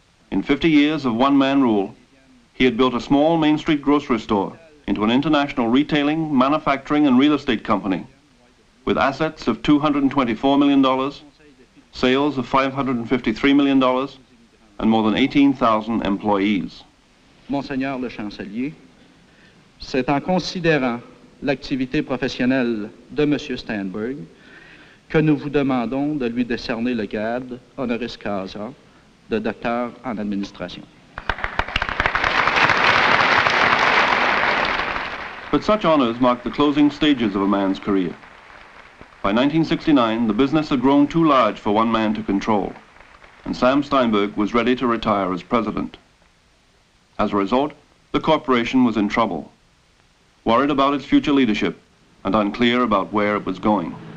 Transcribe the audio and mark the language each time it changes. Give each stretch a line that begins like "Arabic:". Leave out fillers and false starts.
English: In 50 years of one-man rule, he had built a small Main Street grocery store into an international retailing, manufacturing, and real estate company with assets of $224 million, sales of $553 million, and more than 18,000 employees.
French: Monseigneur le Chancelier, c'est en considérant l'activité professionnelle de M. Steinberg que nous vous demandons de lui décerner le grade honoris causa de docteur en administration.
English: But such honors mark the closing stages of a man's career. By 1969, the business had grown too large for one man to control, and Sam Steinberg was ready to retire as president. As a result, the corporation was in trouble, worried about its future leadership, and unclear about where it was going.